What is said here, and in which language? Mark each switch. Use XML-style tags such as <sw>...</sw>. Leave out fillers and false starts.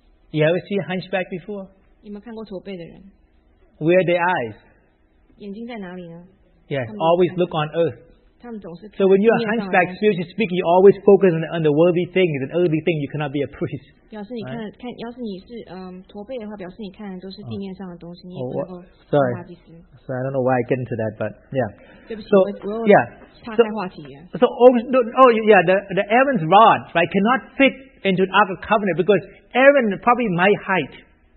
<en>You ever see a hunchback before?</en> <zh>有没有看过驼背的人?</zh> <en>Where are their eyes?</en> <zh>眼睛在哪里呢?</zh> <en>Yes, always look on earth. So when you're a hunchback, spiritually speaking, you always focus on the worldly thing, the earthly thing, you cannot be a priest.</en> <zh>表示你是驼背的话，表示你看的都是地面上的东西，你也不能够当大祭司。</zh> <en>Sorry, I don't know why I get into that, but yeah.</en> <zh>对不起，我岔开话题了。</zh> <en>So, the Aaron's rod, right, cannot fit into the Ark of Covenant because Aaron probably my height.</en>